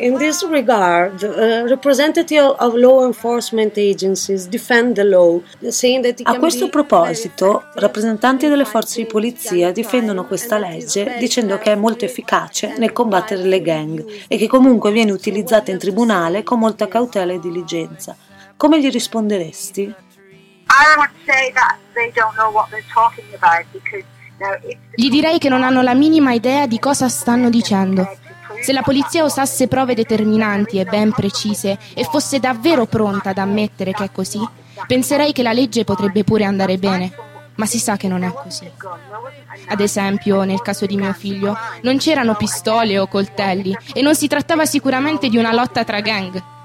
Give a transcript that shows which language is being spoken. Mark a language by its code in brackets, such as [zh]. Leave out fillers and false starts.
[en] In this regard, representative of law enforcement agencies defend the law, saying that [it] a questo proposito, rappresentanti delle forze di polizia difendono questa legge dicendo che è molto efficace nel combattere le gang e che comunque viene utilizzata in tribunale con molta cautela e diligenza. Come gli risponderesti? [en] I would say that they don't know what they're talking about because [it] gli direi che non hanno la minima idea di cosa stanno dicendo. Se la polizia usasse prove determinanti e ben precise e fosse davvero pronta ad ammettere che è così, penserei che la legge potrebbe pure andare bene, ma si sa che non è così. Ad esempio, nel caso di mio figlio, non c'erano pistole o coltelli e non si trattava sicuramente di una lotta tra gang.